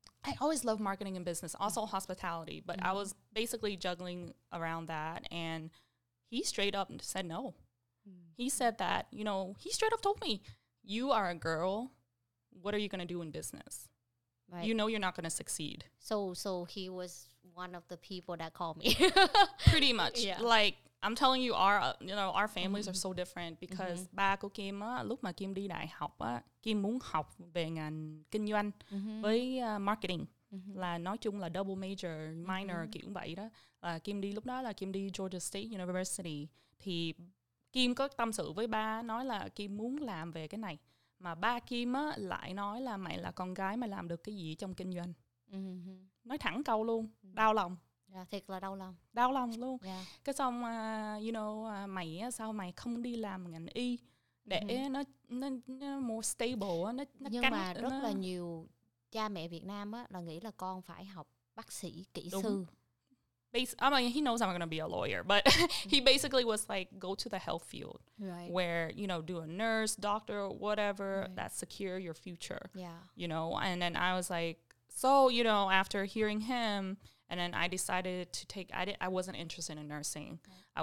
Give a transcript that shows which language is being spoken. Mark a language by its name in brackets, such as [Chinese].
[English] I always loved marketing and business, also hospitality. But I was basically juggling around that. And he straight up said no. He said that, you know, he straight up told me, you are a girl. What are you going to do in business? Right. You know you're not going to succeed. So he was one of the people that called me. Pretty much. Yeah. Like, I'm telling you, our families are so different because [Vietnamese] ba của Kim, lúc mà Kim đi đại học, Kim muốn học về ngành kinh doanh với marketing. Là nói chung là double major, minor kiểu vậy đó. Là Kim đi lúc đó là Kim đi Georgia State University. Thì Kim có tâm sự với ba, nói là Kim muốn làm về cái này. Mà ba Kim á, lại nói là mày là con gái, mày làm được cái gì trong kinh doanh. Nói thẳng câu luôn, đau lòng. Yeah. Yeah, thiệt là đau lòng. Đau lòng luôn. [English] Yeah. [Vietnamese] Cái xong, you know, mày sao mày không đi làm ngành y để nó [English] more stable, [Vietnamese] nó nhưng mà rất là nhiều cha mẹ Việt Nam á là nghĩ là con phải học bác sĩ, kỹ sư. [English] I mean, he knows I'm going to be a lawyer, but he basically was like, go to the health field, right, where, you know, do a nurse, doctor, whatever, right, that secure your future. Yeah. You know, and then I was like, so, you know, after hearing him, and then I decided to take, I wasn't interested in nursing. Right.